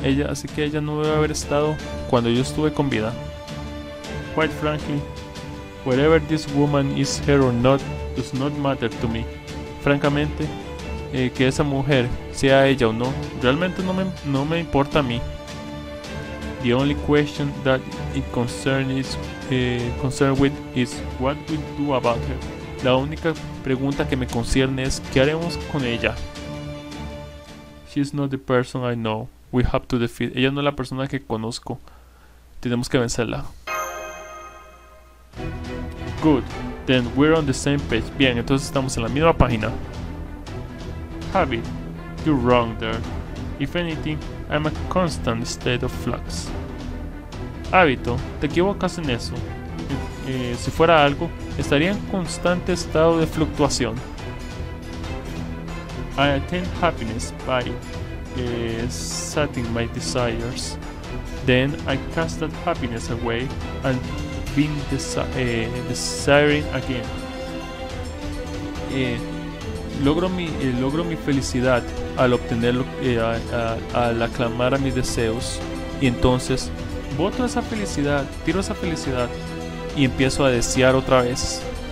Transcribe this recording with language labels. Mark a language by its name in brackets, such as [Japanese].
[Spanish] Así que ella no debe haber estado cuando yo estuve con vida. [English] Quite frankly, whatever this woman is here or not does not matter to me. [Spanish] Francamente, que esa mujer sea ella o no, realmente no me importa a mí. [English] The only question that it concerns with is what we do about her. [Spanish] La única pregunta que me concierne es ¿qué haremos con ella? [English] She's not the person I know. We have to defeat. [Spanish] Ella no es la persona que conozco. Tenemos que vencerla. [English] Good. Then we're on the same page. [Spanish] Bien, entonces estamos en la misma página. [English] Habit. You're wrong there. If anything, I'm a constant state of flux. [Spanish] Hábito. Te equivocas en eso. Si fuera algo, estaría en constante estado de fluctuación. [English] I attain happiness by setting my desires. Then I cast that happiness away and begin desiring again. [Spanish] Logro mi felicidad al obtenerlo, al aclamar a mis deseos. Y entonces boto esa felicidad, tiro esa felicidad y empiezo a desear otra vez.